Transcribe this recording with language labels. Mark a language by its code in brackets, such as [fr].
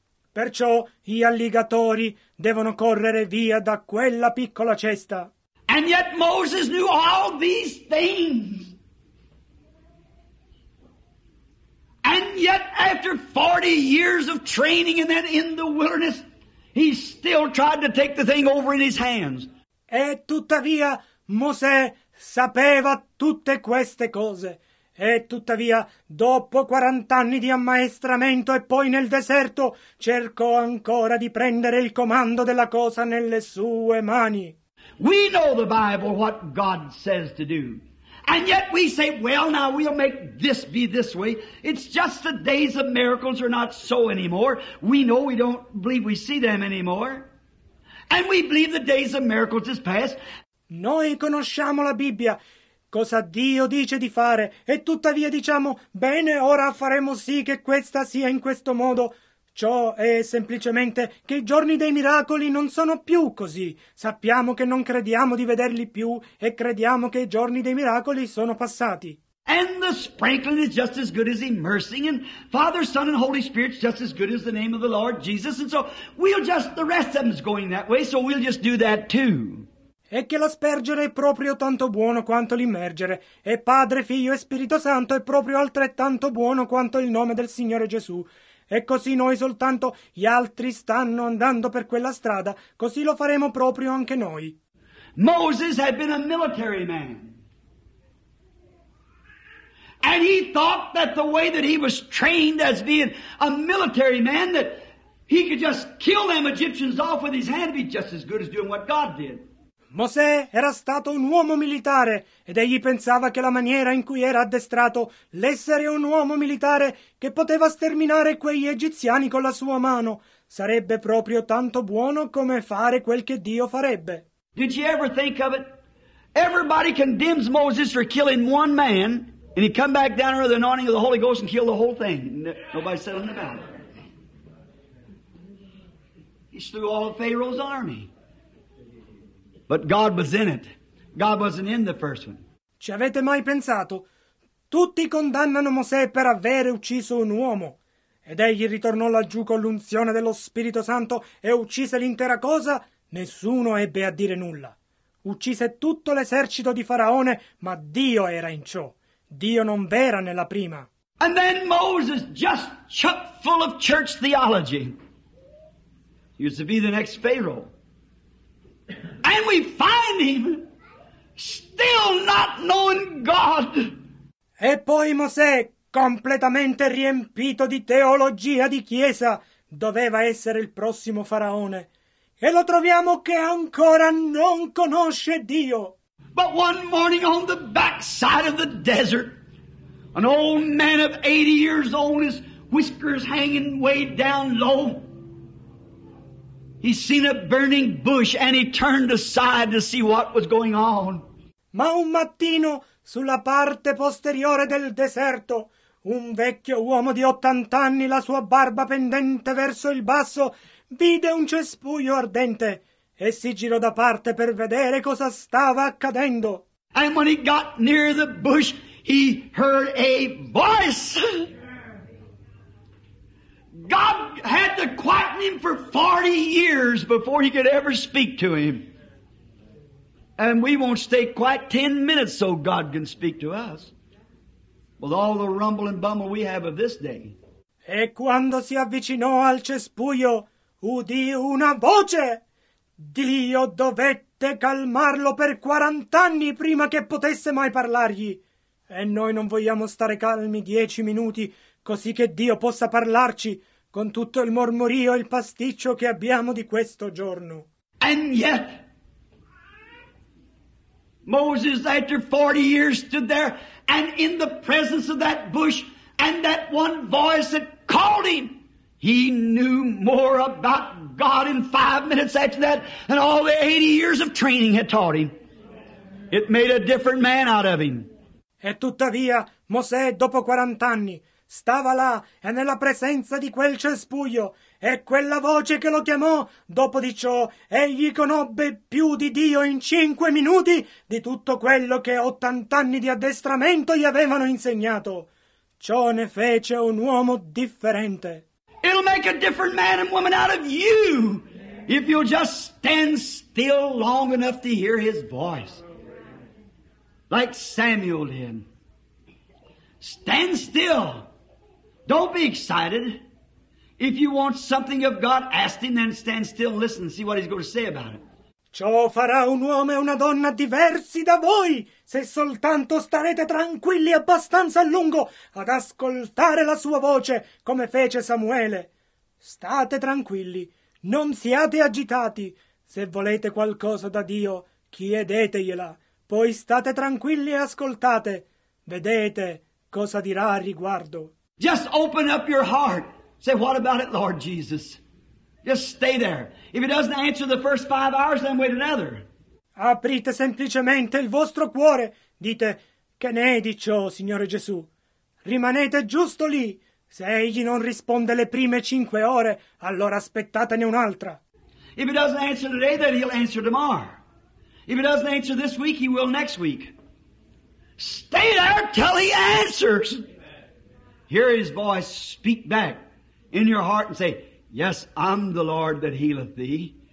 [it] Perciò gli alligatori devono correre via da quella piccola cesta. [en] And yet Moses knew all these things. And yet after 40 years of training and then in the wilderness, he still tried to take the thing over in his hands. [it] E tuttavia Mosè sapeva tutte queste cose. E tuttavia, dopo 40 anni di ammaestramento e poi nel deserto, cercò ancora di prendere il comando della cosa nelle sue mani. [en] We know the Bible, what God says to do. And yet we say, well, now we'll make this be this way. It's just the days of miracles are not so anymore. We know we don't believe we see them anymore. And we believe the days of miracles is past. [it] Noi conosciamo la Bibbia. Cosa Dio dice di fare, e tuttavia diciamo, bene, ora faremo sì che questa sia in questo modo. Ciò è semplicemente che i giorni dei miracoli non sono più così. Sappiamo che non crediamo di vederli più, e crediamo che i giorni dei miracoli sono passati. [en] And the sprinkling is just as good as immersing, and Father, Son, and Holy Spirit is just as good as the name of the Lord Jesus, and so we'll just, the rest of them is going that way, so we'll just do that too. [it] E che l'aspergere è proprio tanto buono quanto l'immergere, e Padre, Figlio e Spirito Santo è proprio altrettanto buono quanto il nome del Signore Gesù. E così noi soltanto, gli altri stanno andando per quella strada, così lo faremo proprio anche noi. [en] Moses had been a military man. And he thought that the way that he was trained as being a military man, that he could just kill them Egyptians off with his hand, be just as good as doing what God did. [it] Mosè era stato un uomo militare ed egli pensava che la maniera in cui era addestrato, l'essere un uomo militare che poteva sterminare quegli egiziani con la sua mano, sarebbe proprio tanto buono come fare quel che Dio farebbe. [en] Did you ever think of it? Everybody condemns Moses for killing one man and he come back down under the anointing of the Holy Ghost and kill the whole thing. Nobody said anything about it. He slew all of Pharaoh's army. But God was in it. God wasn't in the first one. [it] Ci avete mai pensato? Tutti condannano Mosè per aver ucciso un uomo. Ed egli ritornò laggiù con l'unzione dello Spirito Santo e uccise l'intera cosa? Nessuno ebbe a dire nulla. Uccise tutto l'esercito di Faraone, ma Dio era in ciò. Dio non v'era nella prima. [en] And then Moses, just chock full of church theology, he used to be the next Pharaoh. And we find him still not knowing God. [it] E poi Mosè, completamente riempito di teologia di chiesa, doveva essere il prossimo faraone. E lo troviamo che ancora non conosce Dio. [en] But one morning on the backside of the desert, an old man of 80 years old, his whiskers hanging way down low, he seen a burning bush and he turned aside to see what was going on. [it] Ma un mattino, sulla parte posteriore del deserto, un vecchio uomo di 80 anni, la sua barba pendente verso il basso, vide un cespuglio ardente e si girò da parte per vedere cosa stava accadendo. [en] And when he got near the bush, he heard a voice. God had to quieten him for 40 years before he could ever speak to him. And we won't stay quiet 10 minutes so God can speak to us. With all the rumble and bumble we have of this day. [it] E quando si avvicinò al cespuglio, udì una voce. Dio dovette calmarlo per 40 anni prima che potesse mai parlargli. E noi non vogliamo stare calmi 10 minuti così che Dio possa parlarci con tutto il mormorio e il pasticcio che abbiamo di questo giorno. [en] And yet, Moses, after 40 years, stood there, and in the presence of that bush and that one voice that called him, he knew more about God in 5 minutes after that than all the 80 years of training had taught him. It made a different man out of him. [it] E tuttavia, Mosè, dopo 40 anni, stava là e nella presenza di quel cespuglio, e quella voce che lo chiamò, dopo di ciò, egli conobbe più di Dio in 5 minuti di tutto quello che 80 anni di addestramento gli avevano insegnato. Ciò ne fece un uomo differente. [en] It'll make a different man and woman out of you if you'll just stand still long enough to hear his voice. Like Samuel did. Stand still. Don't be excited. If you want something of God, ask him, then stand still and listen and see what he's going to say about it. [it] Ciò farà un uomo e una donna diversi da voi, se soltanto starete tranquilli abbastanza a lungo ad ascoltare la sua voce, come fece Samuele. State tranquilli, non siate agitati. Se volete qualcosa da Dio, chiedetegliela. Poi state tranquilli e ascoltate. Vedete cosa dirà a riguardo. [en] Just open up your heart. Say, what about it, Lord Jesus? Just stay there. If he doesn't answer the first 5 hours, then wait another. [it] Aprite semplicemente il vostro cuore. Dite, che ne è di ciò, Signore Gesù? Rimanete giusto lì. Se egli non risponde le prime 5 ore, allora aspettatene un'altra. [en] If he doesn't answer today, then he'll answer tomorrow. If he doesn't answer this week, he will next week. Stay there till he answers. Hear his voice speak back in your heart and say, yes, I'm the Lord that healeth thee.